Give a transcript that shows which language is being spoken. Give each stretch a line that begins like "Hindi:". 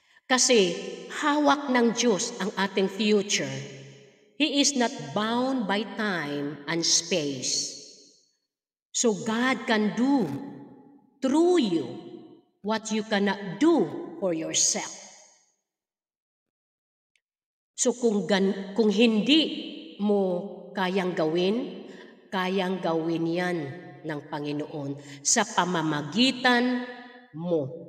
Filipino: Kasi hawak ng Diyos ang ating future.
English: He is not bound by time and space. So God can do through you what you cannot do for yourself.
Filipino: So kung hindi mo kayang gawin yan ng Panginoon sa pamamagitan mo.